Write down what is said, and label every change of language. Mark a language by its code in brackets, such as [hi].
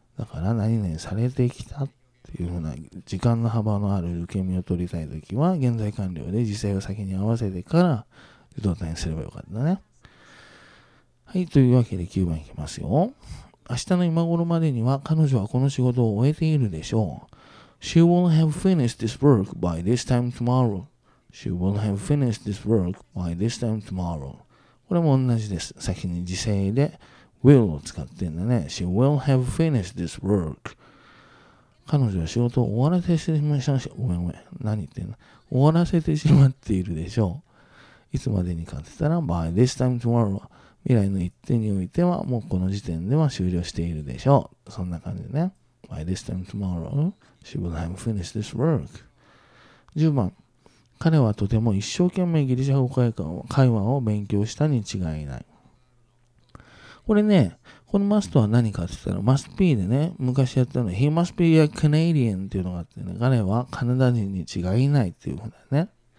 [ja] だから何々されてきたというふうな時間の幅のある受け身を取りたいときは、現在完了で時制を先に合わせてから受動態にすればよかったね。はい、というわけで9番いきますよ。明日の今頃までには彼女はこの仕事を終えているでしょう。 [en] She will have finished this work by this time tomorrow. She will have finished this work by this time tomorrow. [ja] これも同じです。先に時制で will を使ってんだね。 [en] She will have finished this work。 [ja] 彼女は仕事を終わらせてしまいました。ごめん、何言ってんの。終わらせてしまっているでしょう。いつまでにかって言ったら [en] by this time tomorrow、 [ja] 未来の一点においてはもうこの時点では終了しているでしょう。そんな感じね。 [en] by this time tomorrow she will have finished this work。 [ja] 10番、彼はとても一生懸命ギリシャ語会話を勉強したに違いない。これね、この must は何かって言ったら [en] must be [ja] でね、昔やったの [en] He must be a Canadian [ja] っていうのがあってね、彼はカナダ人に違いないっていうふうだね。